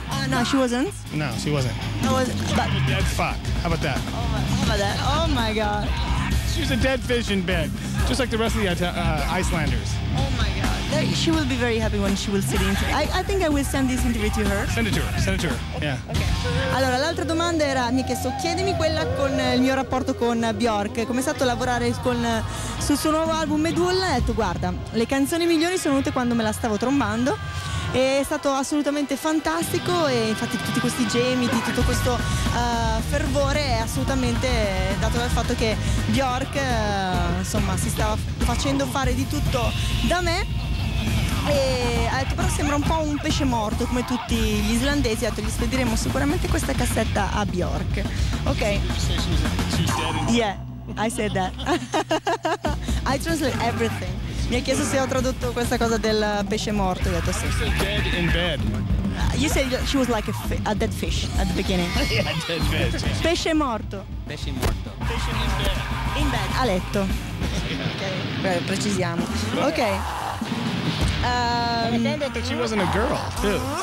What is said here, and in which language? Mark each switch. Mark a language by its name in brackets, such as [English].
[English] No, she wasn't. No, she wasn't. I was but dead fuck. How about that? Oh my god. She's a dead fish in bed. Just like the rest of the Icelanders. Oh my god. She will be very happy when she will sit in. I think I will send this interview to her. Send it to her. Okay. Yeah. Okay. [Italian] Allora, l'altra domanda era, mi ha chiesto, chiedimi quella con il mio rapporto con Björk. Com'è stato lavorare sul suo nuovo album Medulla? Ha detto, guarda, le canzoni migliori sono venute quando me la stavo trombando. E è stato assolutamente fantastico, e infatti tutti questi gemiti, tutto questo fervore è assolutamente dato dal fatto che Björk insomma si stava facendo fare di tutto da me. E ha detto, però sembra un po' un pesce morto come tutti gli islandesi. Ha detto, gli spediremo sicuramente questa cassetta a Björk. Ok. [English] Yeah, I said that. I translate everything. [Italian] Mi ha chiesto se ho tradotto questa cosa del pesce morto, ho detto sì. [English] You said dead in bed. You said she was like a dead fish at the beginning. Yeah, dead fish. [Italian] Pesce morto. Pesce morto. Pesce [English] in bed. In bed, [Italian] a letto. [English] Yeah. [Italian] Okay. Beh, precisiamo. Ok. [English] I found out that she wasn't a girl, too.